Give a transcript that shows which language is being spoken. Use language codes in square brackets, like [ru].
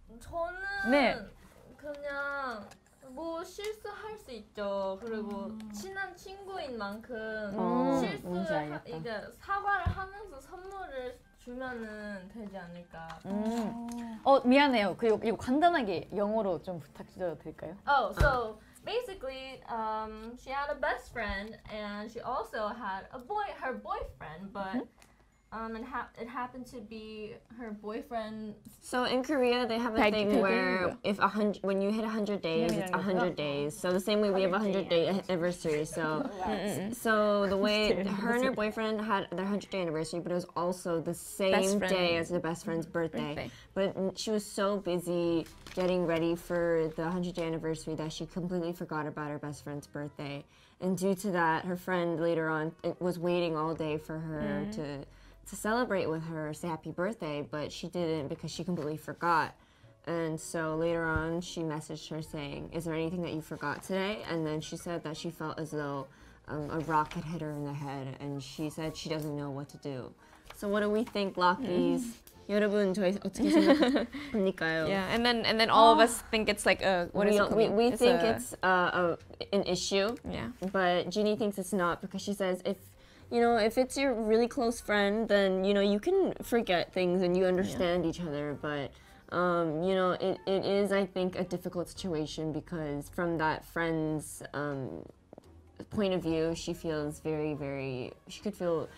[ko] 저는 네. 그냥 뭐 실수할 수 있죠. 그리고 친한 친구인 만큼 실수 이제 사과를 하면서 선물을 주면은 되지 않을까. 미안해요. 그리고 이거 간단하게 영어로 좀 부탁드려도 될까요? [en] Basically, she had a best friend and she also had her boyfriend, but it happened to be her boyfriend. So in Korea, they have a thing where if when you hit 100 days, it's 100 days. So the same way we have 100 day anniversary. So the way her and her boyfriend had their 100 day anniversary, but it was also the same day as the best friend's birthday. But she was so busy getting ready for the 100 day anniversary that she completely forgot about her best friend's birthday. And due to that, her friend later on was waiting all day for her to celebrate with her, say happy birthday, but she didn't because she completely forgot. And so later on, she messaged her saying, is there anything that you forgot today? And then she said that she felt as though a rock had hit her in the head, and she said she doesn't know what to do. So what do we think, Lockies? [ko] 여러분, 저희 어떻게 생각합니까요? [en] Yeah, and then all of us think it's like a, what we is it called? We think it's an issue, yeah. But Jeannie thinks it's not because she says, if it's your really close friend, then, you know, you can forget things and you understand each other. But, it is, I think, a difficult situation because from that friend's point of view, she feels very, very, she could feel